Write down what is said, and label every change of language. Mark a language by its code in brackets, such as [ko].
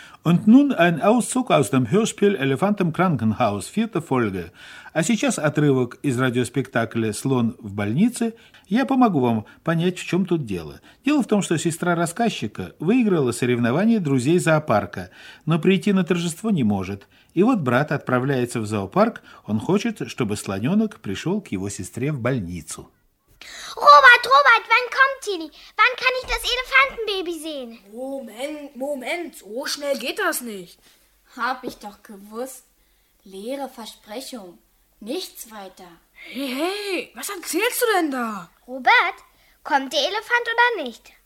[de] Und nun ein Auszug aus dem Hörspiel «Elefant im Krankenhaus», vierte Folge. [ru] А сейчас отрывок из радиоспектакля «Слон в больнице». Я помогу вам понять, в чем тут дело. Дело в том, что сестра рассказчика выиграла соревнование друзей зоопарка, но прийти на торжество не может. И вот брат отправляется в зоопарк, он хочет, чтобы слоненок пришел к его сестре в больницу. [de] Robert, Robert, wann kommt Tini? Wann kann ich das Elefantenbaby sehen? Moment, Moment, so schnell geht das nicht. Hab ich doch gewusst. Leere Versprechung, nichts weiter. Hey, hey, was erzählst du denn da? Robert, kommt der Elefant oder nicht?